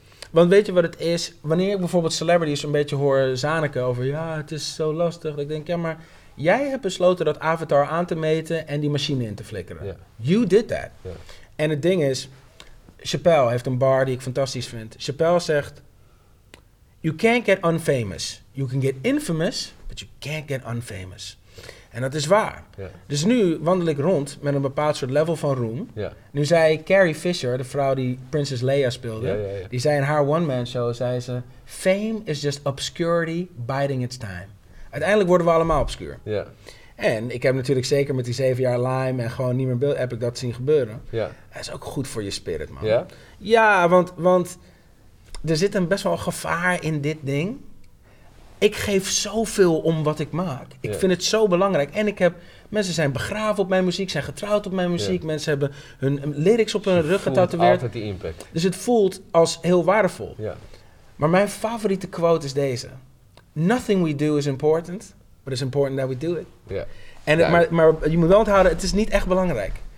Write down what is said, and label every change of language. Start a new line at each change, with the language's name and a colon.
Dutch: Want weet je wat het is? Wanneer ik bijvoorbeeld celebrities een beetje hoor zaniken over... Ja, het is zo lastig. Ik denk, ja, maar... Jij hebt besloten dat avatar aan te meten en die machine in te flikkeren.
English: Yeah. You did that. Yeah.
Dutch: En het ding is, Chappelle heeft een bar die ik fantastisch vind. Chappelle zegt,
English: you can't get unfamous. You can get infamous, but you can't get unfamous.
Dutch: En dat is waar.
English: Yeah.
Dutch: Dus nu wandel ik rond met een bepaald soort level van roem.
English: Yeah.
Dutch: Nu zei Carrie Fisher, de vrouw die Princess Leia speelde, die zei in haar one-man show, zei ze,
English: fame is just obscurity biding its time.
Dutch: Uiteindelijk worden we allemaal obscuur.
English: Yeah.
Dutch: En ik heb natuurlijk zeker met die 7 jaar lijm en gewoon niet meer beeld, heb ik dat zien gebeuren.
English: Yeah.
Dutch: Dat is ook goed voor je spirit, man.
English: Yeah.
Dutch: Ja, want er zit een best wel gevaar in dit ding. Ik geef zoveel om wat ik maak. Ik vind het zo belangrijk. En ik heb mensen zijn begraven op mijn muziek, zijn getrouwd op mijn muziek. Yeah. Mensen hebben hun lyrics op hun rug getatoeëerd. Altijd die impact. Dus het voelt als heel waardevol.
English: Yeah.
Dutch: Maar mijn favoriete quote is deze.
English: Nothing we do is important, but it's important that we do it. Yeah.
Dutch: En maar je moet wel onthouden, het is niet echt belangrijk.